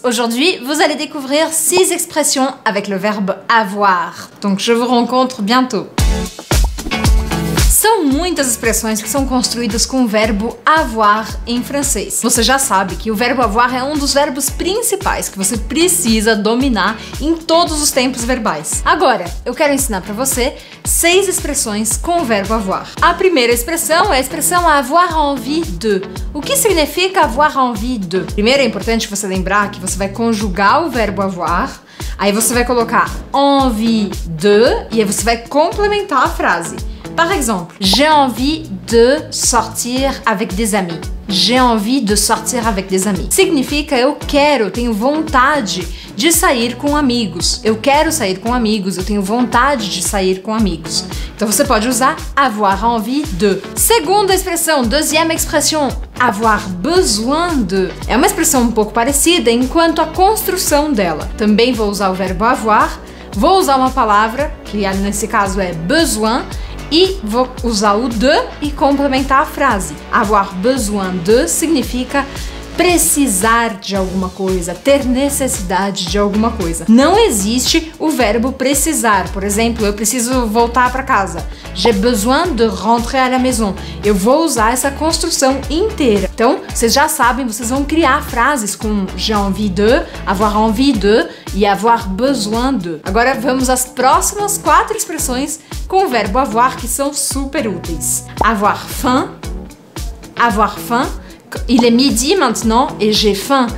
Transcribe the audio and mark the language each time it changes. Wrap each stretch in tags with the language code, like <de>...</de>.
<fr>Aujourd'hui, vous allez découvrir 6 expressions avec le verbe avoir. Donc, je vous rencontre bientôt.</fr> <pt>São muitas expressões que são construídas com o verbo avoir em francês. Você já sabe que o verbo avoir é um dos verbos principais que você precisa dominar em todos os tempos verbais. Agora, eu quero ensinar para você 6 expressões com o verbo avoir. A primeira expressão é a expressão avoir envie de. O que significa avoir envie de? Primeiro, é importante você lembrar que você vai conjugar o verbo avoir. Aí você vai colocar envie de e aí você vai complementar a frase.</pt> <fr>Par exemple, j'ai envie de sortir avec des amis. J'ai envie de sortir avec des amis.</fr> <pt>Significa eu quero, tenho vontade de sair com amigos. Eu quero sair com amigos, eu tenho vontade de sair com amigos. Então você pode usar avoir envie de. Segunda expressão,</pt> <fr>deuxième expression,</fr> <pt>avoir besoin de. É uma expressão um pouco parecida enquanto a construção dela. Também vou usar o verbo avoir. Vou usar uma palavra, que nesse caso é besoin. E vou usar o de e complementar a frase. Avoir besoin de significa precisar de alguma coisa, ter necessidade de alguma coisa. Não existe o verbo precisar. Por exemplo, eu preciso voltar para casa.</pt> <fr>J'ai besoin de rentrer à la maison.</fr> <pt>Eu vou usar essa construção inteira. Então, vocês já sabem, vocês vão criar frases com j'ai envie de, avoir envie de e avoir besoin de. Agora vamos às próximas 4 expressões com o verbo avoir, que são super úteis.</pt> <fr>Avoir faim. Avoir faim. Il est midi maintenant et j'ai faim.</fr>